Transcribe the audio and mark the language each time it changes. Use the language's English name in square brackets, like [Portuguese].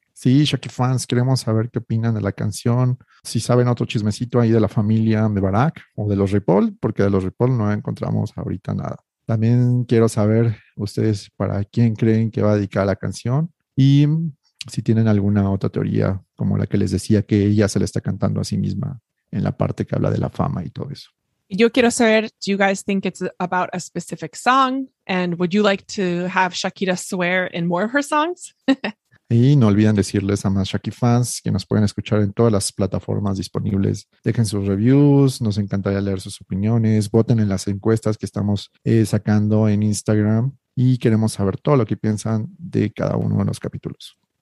[Spanish] Sí, Shaki fans, queremos saber qué opinan de la canción. Si saben otro chismecito ahí de la familia Mebarak o de los Ripoll, porque de los Ripoll no encontramos ahorita nada. También quiero saber ustedes para quién creen que va a dedicar la canción. Y si tienen alguna otra teoría, como la que les decía, que ella se le está cantando a sí misma en la parte que habla de la fama y todo eso. Yo quiero saber, [English] do you guys think it's about a specific song? And would you like to have Shakira swear in more of her songs? [Spanish] Y no olviden decirles a más Shaki fans que nos pueden escuchar en todas las plataformas disponibles. Dejen sus reviews, nos encantaría leer sus opiniones. Voten en las encuestas que estamos sacando en Instagram. Y queremos saber todo lo que piensan de cada uno de los capítulos.